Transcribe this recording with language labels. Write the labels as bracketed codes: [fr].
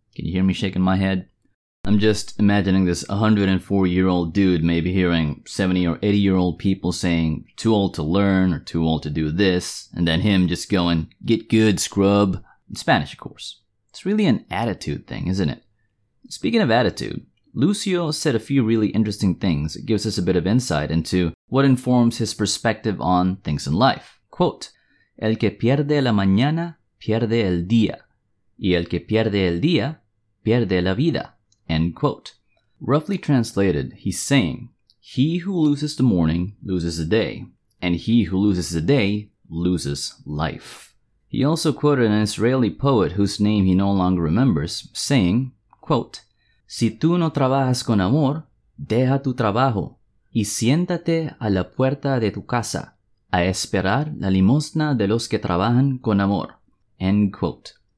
[en] Can you hear me shaking my head? I'm just imagining this 104-year-old dude maybe hearing 70 or 80-year-old people saying, too old to learn or too old to do this, and then him just going, get good, scrub. In Spanish, of course. It's really an attitude thing, isn't it? Speaking of attitude, Lucio said a few really interesting things that gives us a bit of insight into what informs his perspective on things in life. Quote, [es] el que pierde la mañana, pierde el día, y el que pierde el día, pierde la vida, [en] end quote. Roughly translated, he's saying, he who loses the morning loses the day, and he who loses the day loses life. He also quoted an Israeli poet whose name he no longer remembers, saying, quote, [es] si tú no trabajas con amor, deja tu trabajo y siéntate a la puerta de tu casa a esperar la limosna de los que trabajan con amor. [en] End quote.